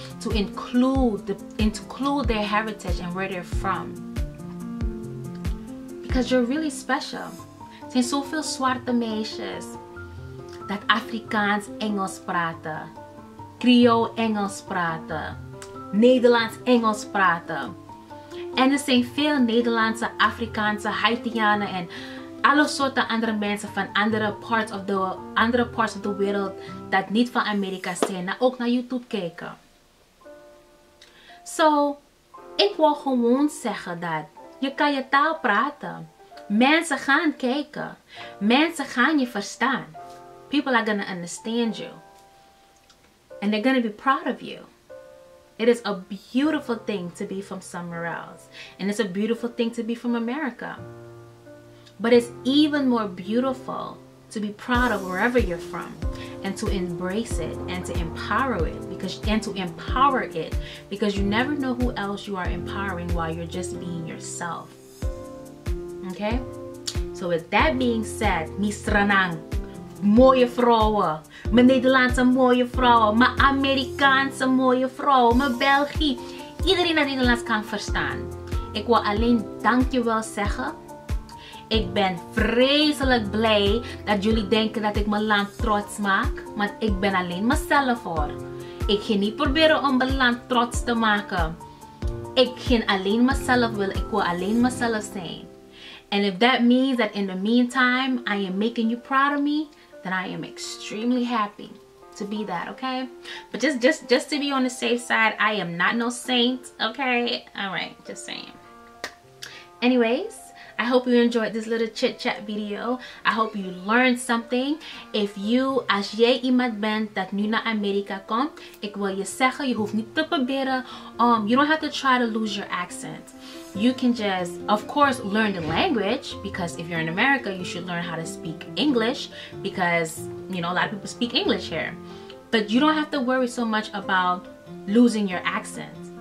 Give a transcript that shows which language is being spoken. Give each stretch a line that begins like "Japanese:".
English: To include their heritage and where they're from. Because you're really special.
Dutch: Er zijn zoveel zwarte meisjes dat Afrikaans Engels praten, Creole Engels praten, Nederlands Engels praten. En er zijn veel Nederlandse, Afrikaanse, Haitianen en alle soorten andere mensen van andere
English: parts of the
Dutch: wereld dat niet van Amerika zijn, ook naar YouTube kijken. So, ik wil gewoon zeggen dat je kan je taal praten. Mensen gaan kijken. Mensen gaan je verstaan.
English: People are going to understand you. And they're going to be proud of you. It is a beautiful thing to be from somewhere else. And it's a beautiful thing to be from America. But it's even more beautiful to be proud of wherever you're from and to embrace it and to empower it because you never know who else you are empowering while you're just being yourself. Okay?
Dutch: So with that being said, Misranang, mooie vrouwen, mijn Nederlandse mooie vrouwen, mijn Amerikaanse mooie vrouwen, mijn België, iedereen dat Nederlands kan verstaan. Ik wil alleen dankjewel zeggen. Ik ben vreselijk blij dat jullie denken dat ik mijn land trots maak. Want ik ben alleen mezelf hoor. Ik ging niet proberen om mijn land trots te maken. Ik ging alleen mezelf willen. Ik wil alleen mezelf zijn.
English: And if that means that in the meantime, I am making you proud of me, then I am extremely happy to be that, okay? But just to be on the safe side, I am not no saint, okay? Alright, just saying. Anyways. I hope you enjoyed this little chit-chat video. I hope you learned something. If you,
Dutch: als jij iemand bent dat nu naar Amerika komt, ik wil je zeggen, je hoeft niet te proberen.
English: You don't have to try to lose your accent. You can just, of course, learn the language. Because if you're in America, you should learn how to speak English. Because, you know, a lot of people speak English here. But you don't have to worry so much about losing your accent.